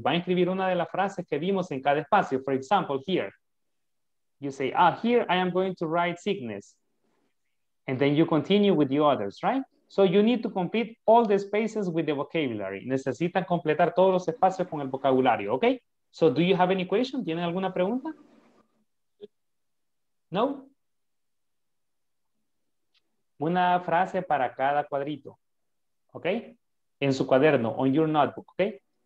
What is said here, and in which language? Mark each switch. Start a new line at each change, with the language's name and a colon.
Spanish: Va a escribir una de las frases que vimos en cada espacio.
English: For example, here. You say, ah, here I am going to write sickness. And then you continue with the others, right? So you need to complete all the spaces with the vocabulary.
Spanish: Necesitan completar todos los espacios con el vocabulario, okay?
English: So do you have any question?
Spanish: ¿Tienen alguna pregunta?
English: No?
Spanish: Una frase para cada cuadrito, okay? En su cuaderno,
English: on your notebook, okay?